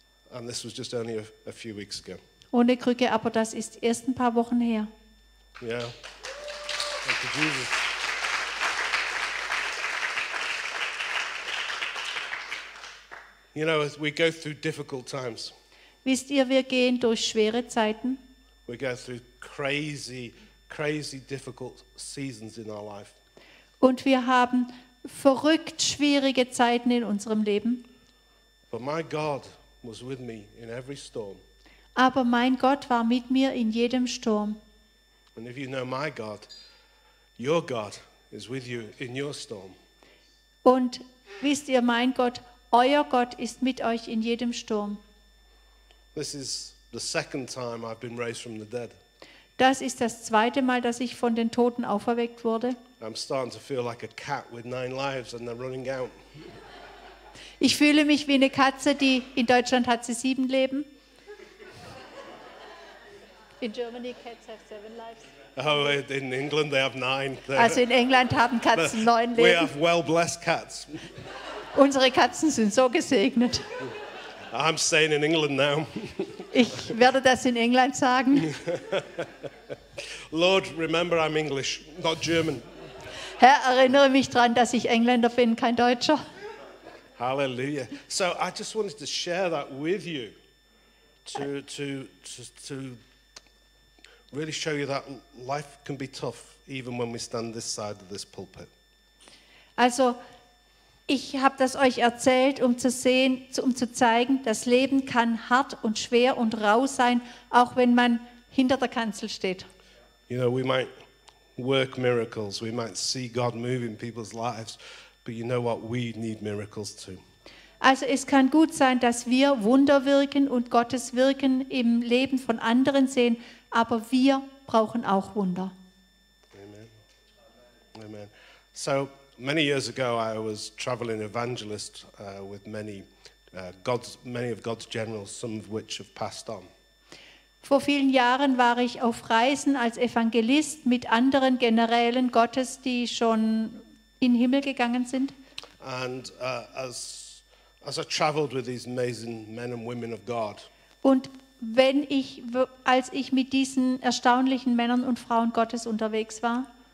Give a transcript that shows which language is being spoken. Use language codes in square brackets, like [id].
[en] And this was just only a few weeks ago. [de] Ohne Krücke, aber das ist erst ein paar Wochen her. [en] Yeah. Thank you, Jesus. You know, as we go through difficult times. [de] Wisst ihr, wir gehen durch schwere Zeiten. [en] We go through crazy, crazy difficult seasons in our life. [de] Und wir haben verrückt schwierige Zeiten in unserem Leben. [en] But my God was with me in every storm. [de] Aber mein Gott war mit mir in jedem Sturm. [en] And if you know my God, your God is with you in your storm. [de] Und wisst ihr, mein Gott, euer Gott ist mit euch in jedem Sturm. [en] This is the second time I've been raised from the dead. [de] Das ist das zweite Mal, dass ich von den Toten auferweckt wurde. [en] I'm starting to feel like a cat with nine lives and they're running out. [de] Ich fühle mich wie eine Katze, die in Deutschland hat sie 7 Leben. [en] In Germany cats have 7 lives. Oh, in England they have 9. [de] Also in England haben Katzen 9 Leben. [en] We have well blessed cats. [de] Unsere Katzen sind so gesegnet. [en] I'm staying in England now. [de] Ich werde das in England sagen. [en] Lord, remember I'm English, not German. [de] Herr, erinnere mich dran, dass ich Engländer bin, kein Deutscher. Hallelujah. [en] So I just wanted to share that with you to really show you that life can be tough even when we stand this side of this pulpit. [de] Also, ich habe das euch erzählt, um zu sehen, um zu zeigen, das Leben kann hart und schwer und rau sein, auch wenn man hinter der Kanzel steht. [en] You know, we might work miracles, we might see God move in people's lives. But you know what? We need miracles too. [de] Also es kann gut sein, dass wir Wunder wirken und Gottes Wirken im Leben von anderen sehen, aber wir brauchen auch Wunder. Amen. Amen. [en] So many years ago I was traveling evangelist with many of God's generals, some of which have passed on. [de] Vor vielen Jahren war ich auf Reisen als Evangelist mit anderen Generälen Gottes, die schon in den Himmel gegangen sind. [en] And as I traveled with these amazing men and women of God. [de] Und wenn ich als ich mit diesen erstaunlichen Männern und Frauen Gottes unterwegs war,